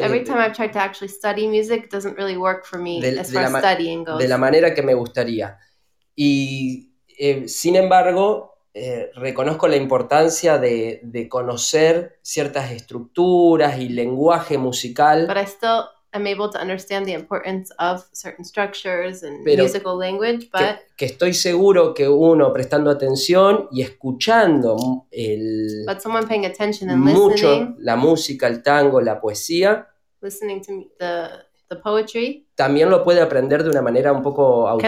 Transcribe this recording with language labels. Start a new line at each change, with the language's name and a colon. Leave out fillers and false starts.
English: Every time I've tried to actually study music, it doesn't really work for me as far as studying goes.
Spanish: De la manera que me gustaría. Y sin embargo, reconozco la importancia de conocer ciertas estructuras y lenguaje musical.
English: But I still am able to understand the importance of certain structures and musical language. But
Spanish: que estoy seguro que uno prestando atención y escuchando
English: but someone paying attention and
Spanish: mucho
English: listening,
Spanish: la música, el tango, la poesía,
English: listening to the poetry,
Spanish: también lo puede aprender de una manera un poco autodidacta.